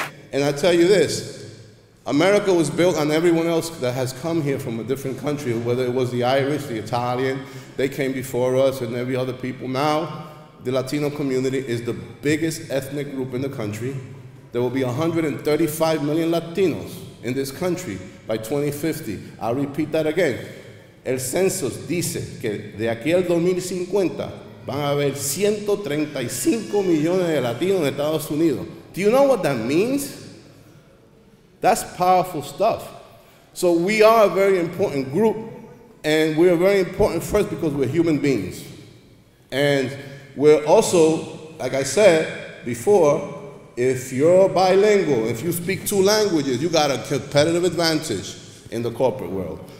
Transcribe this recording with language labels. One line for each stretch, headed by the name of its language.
English: And I tell you this, America was built on everyone else that has come here from a different country, whether it was the Irish, the Italian, they came before us, and every other people. Now, the Latino community is the biggest ethnic group in the country. There will be 135 million Latinos in this country by 2050. I'll repeat that again.
Spanish: El census dice que de aquí al 2050 van a haber 135 millones de Latinos en Estados Unidos.
English: Do you know what that means? That's powerful stuff. So we are a very important group, and we're very important first because we're human beings. And we're also, like I said before, if you're bilingual, if you speak two languages, you got a competitive advantage in the corporate world.